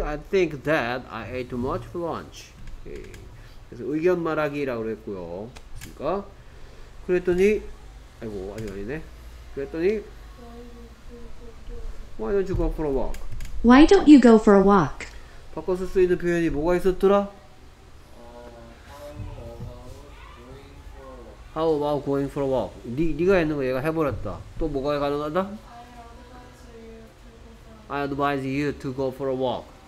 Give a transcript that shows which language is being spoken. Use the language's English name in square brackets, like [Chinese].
[English] I think that I ate too much for lunch. Okay. [Korean] 그래서 의견 말하기라고 했고요. 그러니까 그랬더니 아이고 아직 아니네. 그랬더니 [English] Why don't you go for a walk? Why don't you go for a walk? [Korean] 바꿔서 쓸 수 있는 표현이 뭐가 있었더라? [English] How about going for a walk? [Korean] 네가 했는 거 얘가 해버렸다. 또 뭐가 가능하다? [English] I advise you to go for a walk.